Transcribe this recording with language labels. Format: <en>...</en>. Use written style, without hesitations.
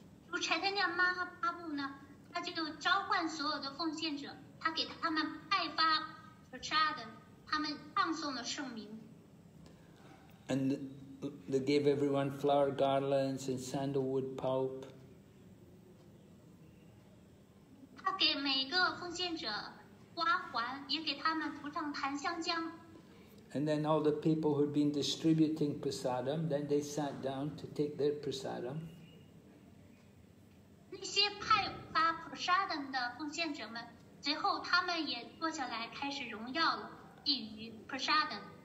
<en>Lord Chaitanya Mahaprabhu, he called all the devotees to come and take prasadam. He gave them prasadam, and they gave the holy name. And they gave everyone flower garlands and sandalwood pulp.</en> <zh>给每个奉献者花环，也给他们涂上檀香浆。</zh> <en>And then all the people who'd been distributing prasadam, then they sat down to take their prasadam.</en> <zh>那些派发 prasadam 的奉献者们，随后他们也坐下来开始荣耀了，给予 prasadam.</zh>